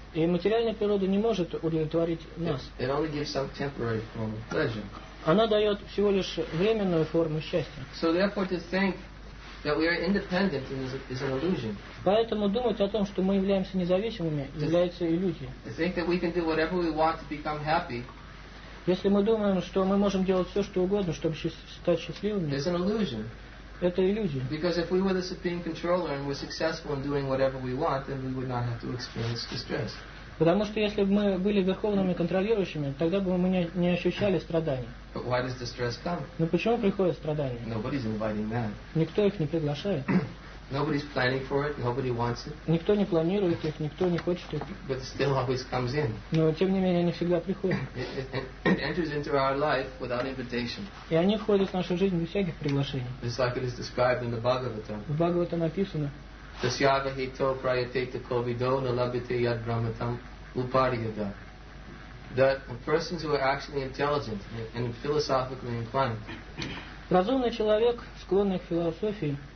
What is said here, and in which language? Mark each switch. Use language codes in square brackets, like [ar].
[ru] И материальная природа не может удовлетворить нас. [en] It only gives some temporary form of pleasure. [ru] Она дает всего лишь временную форму счастья. [en] So therefore to think that we are independent is an illusion. [ru] Поэтому думать о том, что мы являемся независимыми, является иллюзией. [en] To think that we can do whatever we want to become happy. [ru] Если мы думаем, что мы можем делать все, что угодно, чтобы стать счастливыми, [en] is an illusion. [ru] Это иллюзия. [en] Because if we were the supreme controller and were successful in doing whatever we want, then we would not have to experience distress. [ru] Потому что если бы мы были верховными контролирующими, тогда бы мы не ощущали страданий. [en] But why does distress come? [ru] Но почему приходят страдания? [en] Nobody's inviting that. [ru] Никто их не приглашает. [en] Nobody's planning for it. Nobody wants it. [ru] Никто не планирует их, никто не хочет их. [en] But it still always comes in. [ru] Но тем не менее они всегда приходят. [en] It enters into our life without invitation. [ru] И они входят в нашу жизнь без всяких приглашений. [en] Just like it is described in the Bhagavatam. [ru] В Бхагавате написано. [sa] Tasyaga hito prayateta kovido na labhyate yad brahmatam upariyada. [en] That persons who are actually intelligent and philosophically inclined. [ru] Разумный человек, склонный к философии,